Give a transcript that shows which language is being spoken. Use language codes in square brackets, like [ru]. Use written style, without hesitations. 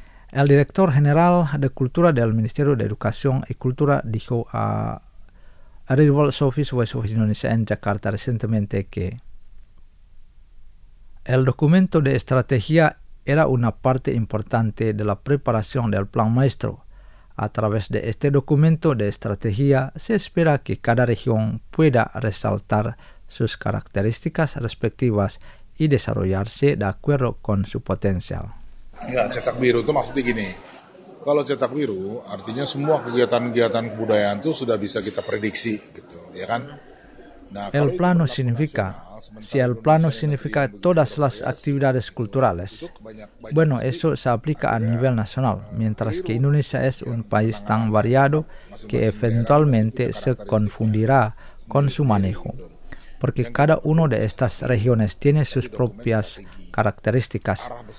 [es] El director general de Cultura del Ministerio de Educación y Cultura dijo a Revolves Office, Voice of Indonesia en Jakarta recientemente que el documento de estrategia era una parte importante de la preparación del Plan Maestro. A través de este documento de estrategia, se espera que cada región pueda resaltar sus características respectivas y desarrollarse de acuerdo con su potencial. [id] Ya, cetak biru itu maksudnya gini. Kalau cetak biru, artinya semua kegiatan-kegiatan kebudayaan itu sudah bisa kita prediksi, gitu, ya kan? [es] Nah, el plano significa, si el plano significa todas las actividades culturales. Bueno, eso se aplica a nivel nacional, mientras que Indonesia es un país tan variado que eventualmente se confundirá con su manejo, porque cada una de estas regiones tiene sus propias características.